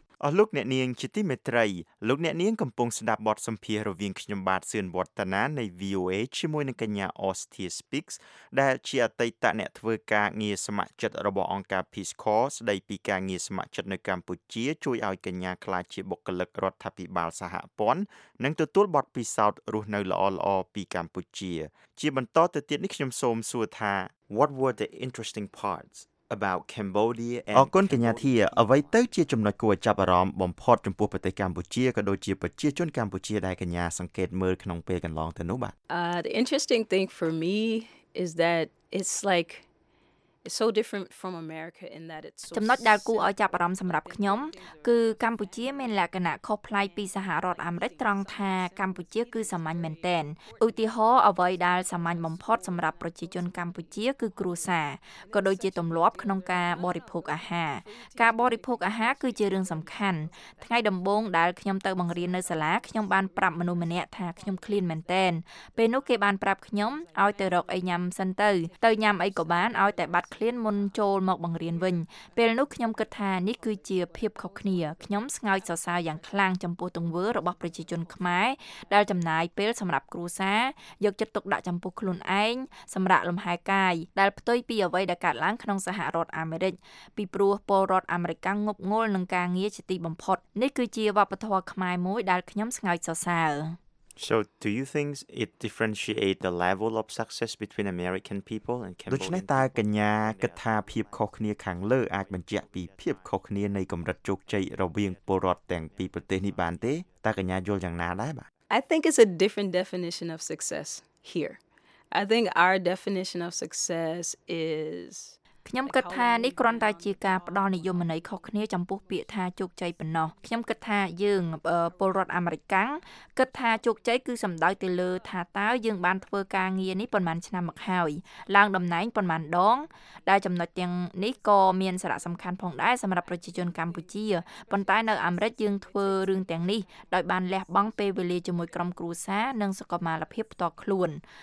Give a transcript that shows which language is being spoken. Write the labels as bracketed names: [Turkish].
[Khmer] អរលោកអ្នកនាងជាទីមេត្រីលោកអ្នកនាងកំពុងស្ដាប់បទសម្ភាសន៍រវាងខ្ញុំបាទសឿនវឌ្ឍនានៃ VOA ជាមួយនឹងកញ្ញា Austin Speaks ដែលជាអតីតអ្នកធ្វើការងារស្ម័គ្រចិត្តរបស់អង្គការ Peace Corps ស្ដីពីការងារស្ម័គ្រចិត្តនៅកម្ពុជាជួយឲ្យកញ្ញាក្លាយជាបុគ្គលិករដ្ឋាភិបាលសហព័ន្ធនិងទទួលបទពិសោធន៍រស់នៅល្អល្អពីកម្ពុជាជាបន្តទៅទៀតនេះខ្ញុំសូមសួរថា [English] What were the interesting parts? About Cambodia and [Khmer] អរគុណកញ្ញាធាអ្វីទៅជាចំណុចគួរឲ្យចាប់អារម្មណ៍បំផុតចំពោះប្រទេសកម្ពុជាក៏ដូចជាប្រជាជនកម្ពុជាដែលកញ្ញាសង្កេតមើលក្នុងពេលកន្លងទៅនោះបាទ [English] The interesting thing for me is that it's like It's so different from America in that it's so [Khmer] ចំណុចដែលគួរឲ្យចាប់អារម្មណ៍សម្រាប់ខ្ញុំគឺកម្ពុជាមានលក្ខណៈខុសប្លែកពីសហរដ្ឋអាមេរិកត្រង់ថាកម្ពុជាគឺសាមញ្ញមែនទែនឧទាហរណ៍អ្វីដែលសាមញ្ញបំផុតសម្រាប់ប្រជាជនកម្ពុជាគឺគ្រួសារក៏ដូចជាទម្លាប់ក្នុងការបរិភោគអាហារ ការបរិភោគអាហារគឺជារឿងសំខាន់ថ្ងៃដំបូងដែលខ្ញុំទៅបង្រៀននៅសាលាខ្ញុំបានប្រាប់មនុស្សម្នាក់ថាខ្ញុំឃ្លានមែនទែនពេលនោះគេបានប្រាប់ខ្ញុំឲ្យទៅរកអីញ៉ាំសិនទៅទៅញ៉ាំអីក៏បានឲ្យតែបាត់ឃ្លានមុនចូលមកបង្រៀនវិញពេលនោះខ្ញុំគិតថានេះគឺជាភាពខុសគ្នាខ្ញុំស្ងើចសរសើរយ៉ាងខ្លាំងចំពោះទង្វើរបស់ប្រជាជនខ្មែរ ដែលចំណាយពេលសម្រាប់គ្រួសារយកចិត្តទុកដាក់ចំពោះខ្លួនឯងសម្រាប់លំហែកាយដែលផ្ទុយពីអ្វីដែលកើតឡើងក្នុងសហរដ្ឋអាមេរិកពីព្រោះពលរដ្ឋអាមេរិកងប់ងល់នឹងការងារជាទីបំផុតនេះគឺជាវប្បធម៌ខ្មែរមួយដែលខ្ញុំស្ងើចសរសើរ [English] So do you think it differentiate the level of success between American people and Cambodian? [Khmer] ដូចនេះតើកញ្ញាគិតថាភាពខុសគ្នាខាងលើអាចបញ្ជាក់ពីភាពខុសគ្នានៃកម្រិតជោគជ័យរវាងពលរដ្ឋទាំងពីរប្រទេសនេះបានទេ? តើកញ្ញាយល់យ៉ាងណាដែរបាទ? [English] I think it's a different definition of success here. I think our definition of success is [Khmer] ខ្ញុំគិតថានេះគ្រាន់តែជាការផ្ដល់និយមន័យខុសគ្នាចំពោះពាក្យថាជោគជ័យប៉ុណ្ណោះខ្ញុំគិតថាយើងពលរដ្ឋអាមេរិកគិតថាជោគជ័យគឺសំដៅទៅលើថាតើយើងបានធ្វើការងារនេះប៉ុន្មានឆ្នាំមកហើយឡើងតំណែងប៉ុន្មានដងដែលចំណុចទាំងនេះក៏មានសារៈសំខាន់ផងដែរសម្រាប់ប្រជាជនកម្ពុជាប៉ុន្តែនៅអាមេរិកយើងធ្វើរឿងទាំងនេះដោយបានលះបង់ពេលវេលាជាមួយក្រុមគ្រួសារនិងសុខុមាលភាពផ្ទាល់ខ្លួន